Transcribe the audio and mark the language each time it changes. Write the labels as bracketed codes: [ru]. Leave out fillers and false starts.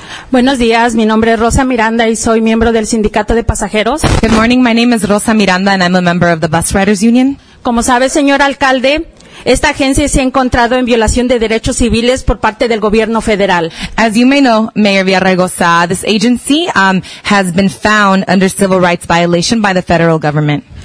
[es] Buenos días, mi nombre es Rosa Miranda y soy miembro del sindicato de pasajeros. [en] Good morning, my name is Rosa Miranda and I'm a member of the Bus Riders Union. [es] Como sabe, señor alcalde, esta agencia se ha encontrado en violación de derechos civiles por parte del gobierno federal. [en] As you may know, Mayor Villaraigosa, this agency has been found under civil rights violation by the federal government.